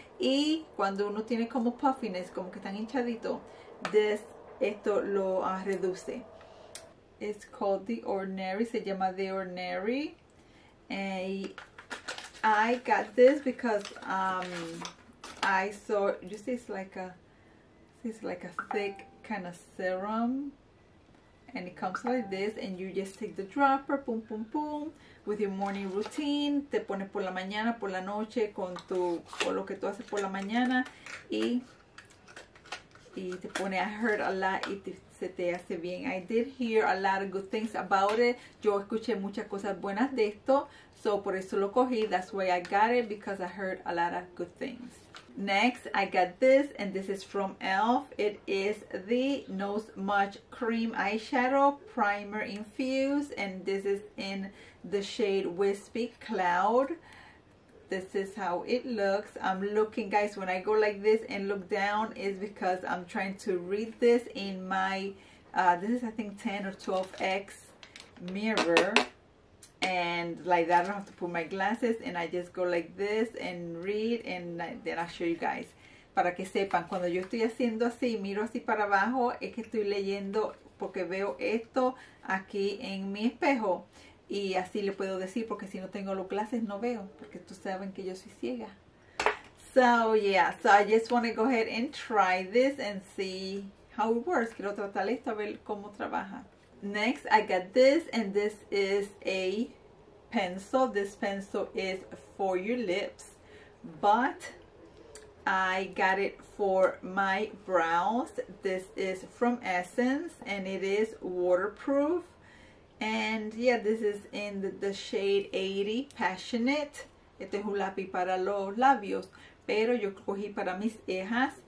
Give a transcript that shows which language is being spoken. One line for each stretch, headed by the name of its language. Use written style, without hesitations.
Spanish: Y cuando uno tiene como puffiness, como que están hinchaditos, esto lo reduce.
English: It's called The Ordinary,
Spanish: se llama The Ordinary.
English: And I got this because I saw, you see, it's like a thick kind of serum. And it comes like this, and you just take the dropper, boom, boom, boom, with your morning routine.
Spanish: Te pones por la mañana, por la noche, con lo que tú haces por la mañana. Y te pone,
English: I heard a lot,
Spanish: y se te hace bien.
English: I did hear a lot of good things about it.
Spanish: Yo escuché muchas cosas buenas de esto, so por eso lo cogí.
English: That's why I got it, because I heard a lot of good things. Next, I got this, and this is from e.l.f. It is the Nose Much Cream Eyeshadow Primer Infused, and this is in the shade Wispy Cloud. This is how it looks. I'm looking, guys, when I go like this and look down, is because I'm trying to read this in my, this is, I think, 10 or 12X mirror. And like that, I don't have to put my glasses, and I just go like this and read, and then I'll show you guys.
Spanish: Para que sepan, cuando yo estoy haciendo así, miro así para abajo, es que estoy leyendo porque veo esto aquí en mi espejo. Y así le puedo decir, porque si no tengo los glasses, no veo, porque tú saben que yo soy ciega.
English: So, yeah, so I just want to go ahead and try this and see how it works.
Spanish: Quiero tratar esto a ver cómo trabaja.
English: Next, I got this, and this is a pencil. This pencil is for your lips, but I got it for my brows. This is from Essence, and it is waterproof. And yeah, this is in the shade 80, Passionate.
Spanish: Este es un lápiz para los labios, pero yo cogí para mis cejas.